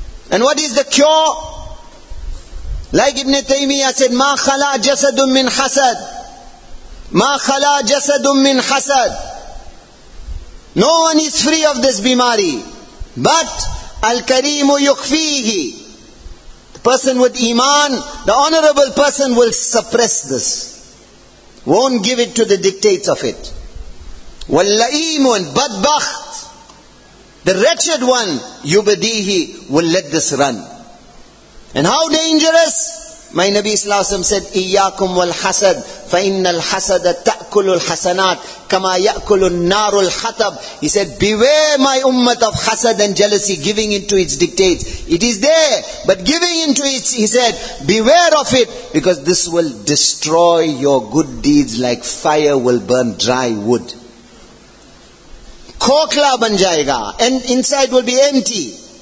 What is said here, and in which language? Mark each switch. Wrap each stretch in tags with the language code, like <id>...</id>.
<en>And what is the cure? Like Ibn Taymiyyah said, ma khala jasadun min hasad.</en> <ar>مَا خَلَى جَسَدٌ مِّنْ حَسَدٍ.</ar> <en>No one is free of this bimari.</en> <ar>But الْكَرِيمُ يُخْفِيهِ.</ar> <en>The person with iman, the honorable person will suppress this. Won't give it to the dictates of it.</en> <ar>وَاللَّئِيمُ بَدْبَخْتْ.</ar> <en>The wretched one, يُبَدِيهِ, will let this run. And how dangerous? My Nabi Sallallahu Alaihi Wasallam said,</en> <ar>إِيَّاكُمْ وَالْحَسَدْ فَإِنَّ الْحَسَدَ تَأْكُلُ الْحَسَنَاتِ كَمَا يَأْكُلُ النَّارُ الْحَطَبْ.</ar> <en>He said, beware my ummah of hasad and jealousy, giving into its dictates. It is there, but giving into it, he said, beware of it, because this will destroy your good deeds like fire will burn dry wood.</en> <hi>Khokhla ban jayega,</hi> <en>and inside will be empty.</en>